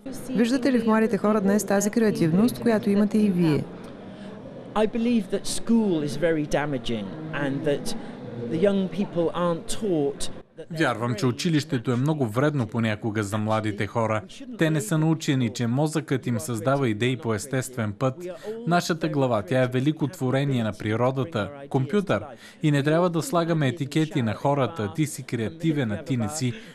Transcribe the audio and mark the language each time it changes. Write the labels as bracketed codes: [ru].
[bg] Виждате ли в младите хора днес тази креативност, която имате и вие? [en] I believe that school is very damaging and that the young people aren't taught. [bg] Вярвам, че училището е много вредно понякога за младите хора. Те не са научени, че мозъкът им създава идеи по естествен път. Нашата глава, тя е велико творение на природата, компютър. И не трябва да слагаме етикети на хората, ти си креативен, а ти не си.